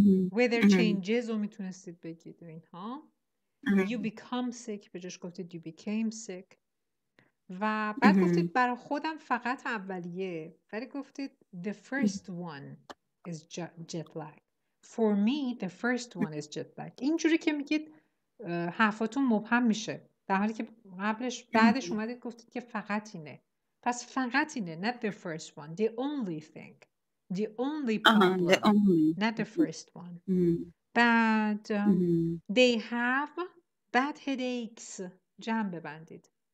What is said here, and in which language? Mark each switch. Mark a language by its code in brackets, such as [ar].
[en] Weather changes [fa] رو میتونستید بگید اینها. [en] You become sick [fa] به جاش گفتید [en] you became sick. [fa] و بعد گفتید برای خودم فقط اولیه، ولی گفتید [en] the first one is jet lag. For me the first one is jet lag. [fa] اینجوری که میگید حرفاتون مبهم میشه، در حالی که قبلش بعدش اومدید گفتید که فقط اینه. پس فقط اینه، [en] not the first one, the only thing. The only problem, not the first one. But they have bad headaches. [fa] جمع ببندید.